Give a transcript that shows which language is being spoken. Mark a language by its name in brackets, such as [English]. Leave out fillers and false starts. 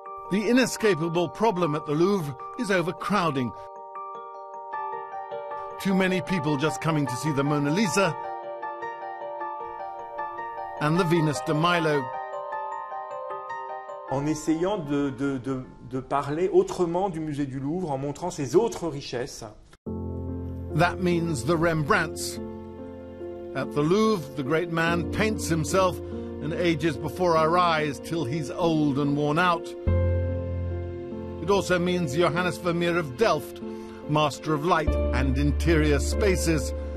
[English] The inescapable problem at the Louvre is overcrowding. Too many people just coming to see the Mona Lisa and the Venus de Milo. [French] En essayant de parler autrement du musée du Louvre, en montrant ses autres richesses. [English] That means the Rembrandts. At the Louvre, the great man paints himself and ages before our eyes till he's old and worn out. It also means Johannes Vermeer of Delft, master of light and interior spaces.